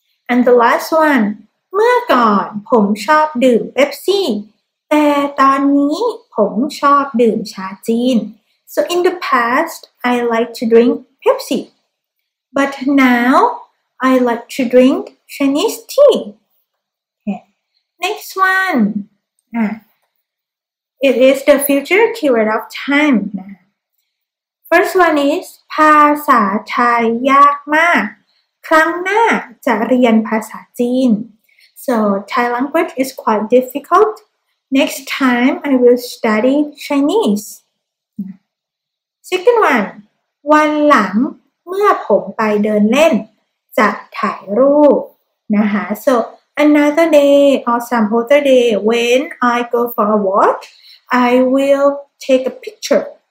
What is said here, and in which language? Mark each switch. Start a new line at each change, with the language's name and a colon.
English: and the last one
Thai: เมื่อก่อนผมชอบดื่มเป๊ปซี่แต่ตอนนี้ผมชอบดื่มชาจีน
English: So in the past, I like to drink Pepsi, but now I like to drink Chinese tea. Okay. Next one, it is the future keyword of time. First one is
Thai: ภาษาไทยยากมากครั้งหน้าจะเรียนภาษาจีน
English: So Thai language is quite difficult. Next time, I will study Chinese. Second one,
Thai: วันหลังเมื่อผมไปเดินเล่นจะถ่ายรูปนะคะ
English: So another day or some other day when I go for a walk, I will take a picture.